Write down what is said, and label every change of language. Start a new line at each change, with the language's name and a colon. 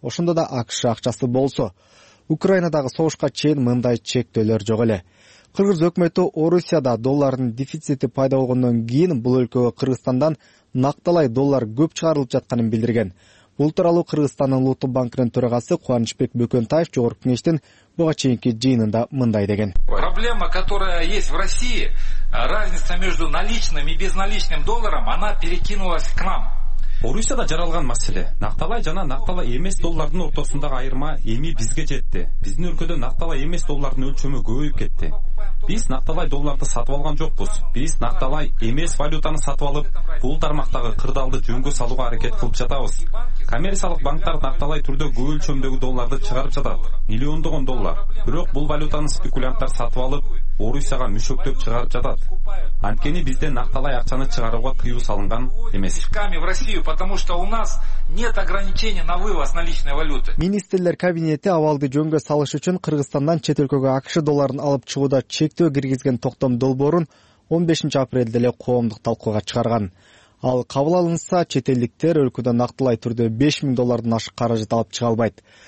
Kyrgyz: Ошондо да АКШ акчасы болсо. Украинадагы согушка чейин мындай чектөөлөр жок эле. Кыргыз өкмөтү Орусияда доллардын дефицити пайда болгондон кийин бул өлкөгө Кыргызстандан накталай доллар көп чыгарылып жатканын билдирген. Бул тууралуу Кыргызстандын улуттук банкынын төрагасы Кубанычбек Бөкөнтаев жогорку кеңештин буга чейинки жыйынында мындай деген.
Russian: Проблема, которая есть в России, разница между наличным и безналичным долларом, она перекинулась к нам.
Kyrgyz: Орусияда жаралган маселе накталай жана накталай эмес доллардын ортосундагы айырма эми бизге жетти. Биздин өлкөдө накталай эмес доллардын өлчөмү көбөйүп кетти. Биз накталай долларды сатып алган жокпуз. Биз накталай эмес валютаны сатып алып, бул тармактагы кырдаалды жөнгө салууга аракет кылып жатабыз. Коммерциялык банктар накталай түрдө көп өлчөмдөгү долларды чыгарып жатат, миллиондогон доллар. Бирок бул валютаны спекулянттар сатып алып, Орусияга мүшөктөп чыгарып жатат. Анткени бизде накталай акчаны чыгарууга тыюу салынган эмес.
Russian: Потому что у нас нет ограничений на вывоз наличной валюты.
Kyrgyz: Министрлер кабинети абалды жөнгө салыш үчүн Кыргызстандан чет өлкөгө АКШ долларын алып чыгууда чектөө киргизген токтом долбоорун 15 апрелде эле коомдук талкууга чыгарган. Ал кабыл алынса, чет элдиктер өлкөдө нактылай түрдө 5000 доллардан ашык каражат алып чыга албайт.